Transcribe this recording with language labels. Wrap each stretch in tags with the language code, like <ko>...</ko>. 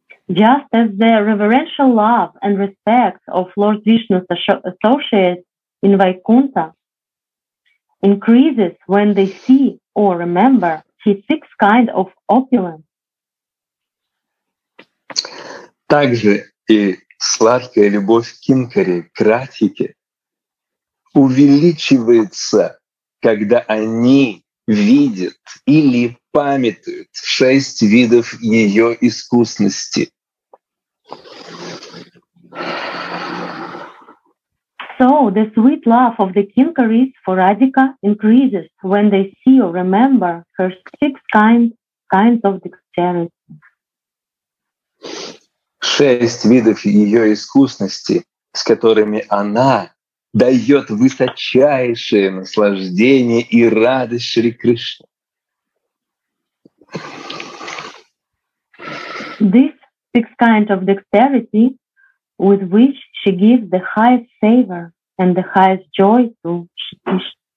<en>Just as the reverential love and respect of Lord Vishnu's associates in Vaikuntha increases when they see or remember his six kinds of opulence.</en> <ru>Также и сладкая любовь Кинкари, Кратхики, увеличивается, когда они видят или памятуют шесть видов ее искусности.</ru> <en>So the sweet love of the Kinkaris for Radhika increases when they see or remember her six kinds of dexterity.</en> <ru>Шесть видов ее искусности, с которыми она дает высочайшее наслаждение и радость Шри Кришне.</ru> <en>This six kinds of dexterity with which she gives the highest favor and the highest joy to Shri Krishna.</en>